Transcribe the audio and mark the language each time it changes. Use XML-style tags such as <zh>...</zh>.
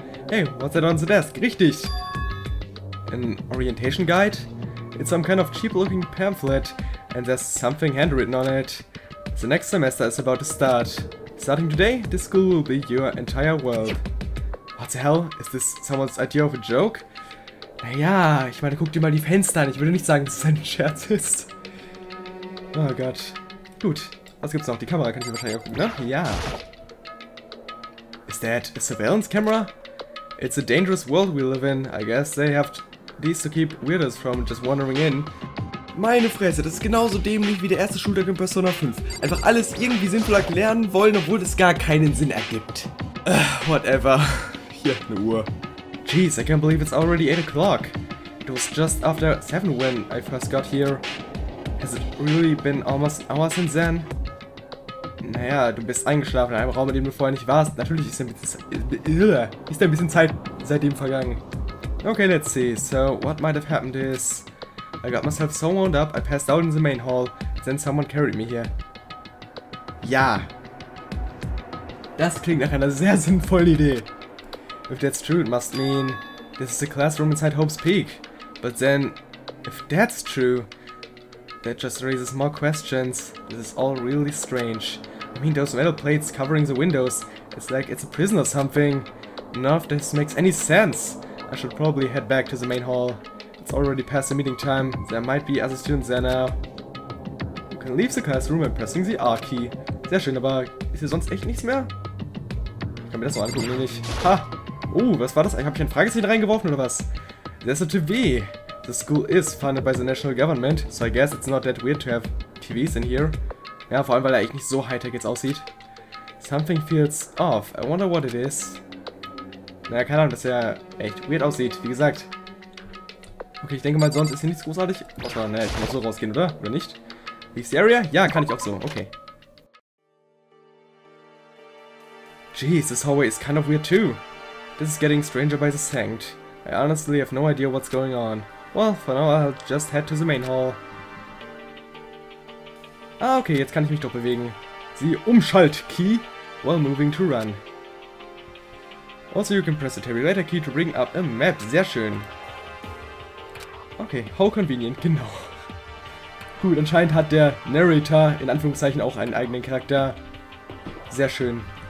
<en>Hey, what's that on the desk?</en> <de>Richtig.</de> <en>An orientation guide? It's some kind of cheap looking pamphlet. And there's something handwritten on it. The next semester is about to start. Starting today, this school will be your entire world. What the hell? Is this someone's idea of a joke?</en> <de>Naja, ich meine, guck dir mal die Fenster an. Ich würde nicht sagen, dass es ein Scherz ist. Oh Gott. Gut, was gibt's noch? Die Kamera kann ich wahrscheinlich auch gucken, ne? Ja.</de> <en>Is that a surveillance camera? It's a dangerous world we live in. I guess they have these to keep weirdos from just wandering in.</en> <de>Meine Fresse, das ist genauso dämlich wie der erste Schultag in Persona 5. Einfach alles irgendwie sinnvoll erklären wollen, obwohl es gar keinen Sinn ergibt.</de> <en>Whatever.</en> <de>Hier, eine Uhr.</de> <en>Jeez, I can't believe it's already 8 o'clock. It was just after 7 when I first got here. Has it really been almost an hour since then?</en> <de>Naja, du bist eingeschlafen in einem Raum, in dem du vorher nicht warst. Natürlich ist ein bisschen Zeit seitdem vergangen.</de> <en>Okay, let's see. So, what might have happened is... I got myself so wound up, I passed out in the main hall. Then someone carried me here.</en> <de>Ja. Das klingt nach einer sehr sinnvollen Idee.</de> <en>If that's true, it must mean... This is the classroom inside Hope's Peak. But then... If that's true... That just raises more questions. This is all really strange. I mean, those metal plates covering the windows, it's like it's a prison or something. None of this makes any sense. I should probably head back to the main hall. It's already past the meeting time. There might be other students there now. You can leave the classroom by pressing the R key.</en> <de>Sehr schön, aber ist hier sonst echt nichts mehr? Ich kann mir das noch angucken, nicht? Ha! Was war das? Habe ich ein Fragezeichen reingeworfen oder was?</de> <en>There's a TV! The school is funded by the national government, so I guess it's not that weird to have TVs in here.</en> <de>Ja, vor allem, weil er eigentlich nicht so high-tech jetzt aussieht.</de> <en>Something feels off. I wonder what it is.</en> <de>Naja, keine Ahnung, dass er echt weird aussieht, wie gesagt. Okay, ich denke mal, sonst ist hier nichts großartig. Außer, naja, ich muss so rausgehen, oder? Oder nicht?</de> <en>Leaves the area?</en> <de>Ja, kann ich auch so, okay.</de> <en>Jeez, this hallway is kind of weird too. This is getting stranger by the second. I honestly have no idea what's going on. Well, for now I'll just head to the main hall.</en> <de>Ah, okay, jetzt kann ich mich doch bewegen.</de> <en>The Umschalt-Key while moving to run. Also, you can press the tabulator key to bring up a map.</en> <de>Sehr schön.</de> <en>Okay, how convenient, genau.</en> <de>Gut, anscheinend hat der Narrator in Anführungszeichen auch einen eigenen Charakter. Sehr schön.</de>